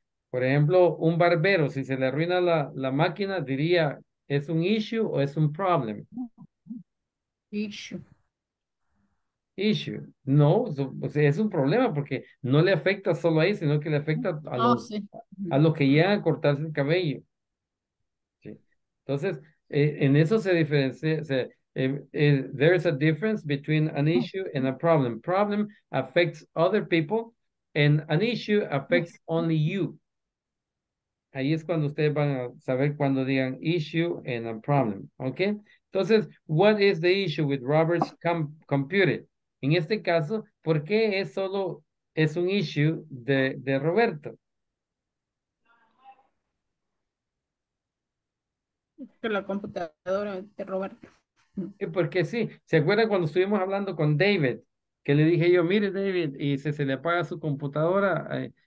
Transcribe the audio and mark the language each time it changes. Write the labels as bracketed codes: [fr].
[es] Por ejemplo, un barbero, si se le arruina la máquina, diría, ¿es un issue o es un problem? [en] Issue. [es] No, es un problema porque no le afecta solo a él, sino que le afecta a los que llegan a cortarse el cabello. ¿Sí? Entonces, en eso se diferencia. [en] There is a difference between an issue and a problem. Problem affects other people and an issue affects only you. [es] Ahí es cuando ustedes van a saber cuando digan issue and a problem. Okay? [en] Entonces, what is the issue with Robert's computer? [es] En este caso, ¿por qué es un issue de Roberto? Que la computadora de Roberto. Porque sí, ¿se acuerdan cuando estuvimos hablando con David? Que le dije yo, mire David, y se le apaga su computadora.